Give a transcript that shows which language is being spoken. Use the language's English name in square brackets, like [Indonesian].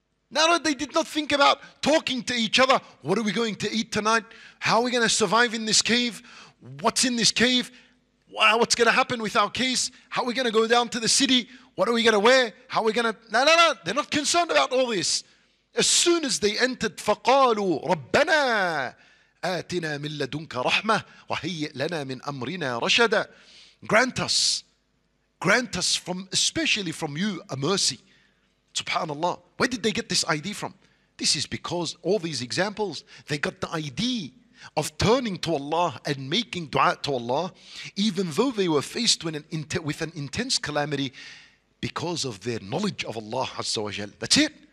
[English] Now they did not think about talking to each other. What are we going to eat tonight? How are we going to survive in this cave? What's in this cave? What's going to happen with our case? How are we going to go down to the city? What are we going to wear? How are we going to... No. They're not concerned about all this. As soon as they entered, [Arabic] فَقَالُوا رَبَّنَا آتِنَا مِنْ لَدُنْكَ رَحْمَةً وَهَيِّئْ لَنَا مِنْ أَمْرِنَا رَشَدًا. [English] Grant us from, especially from you, a mercy. Subhanallah. Where did they get this ID from? This is because all these examples, they got the ID of turning to Allah and making dua to Allah, even though they were faced with an intense calamity because of their knowledge of Allah Azza wa Jal. That's it.